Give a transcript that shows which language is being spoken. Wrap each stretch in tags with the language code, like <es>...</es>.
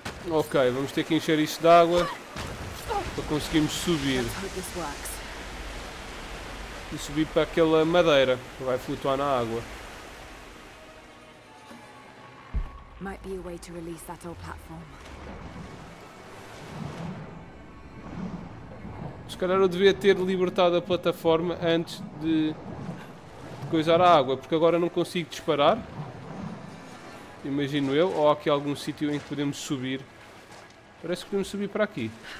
<pt>Ok, vamos ter que encher isto de água para conseguirmos subir. E subir para aquela madeira que vai flutuar na água.</pt> <en>Might be a way to release that old platform.</en> <pt>Se calhar eu devia ter libertado a plataforma antes de coisar a água, porque agora não consigo disparar. Imagino eu, ou há aqui algum sítio em que podemos subir. Parece que podemos subir para aqui.</pt>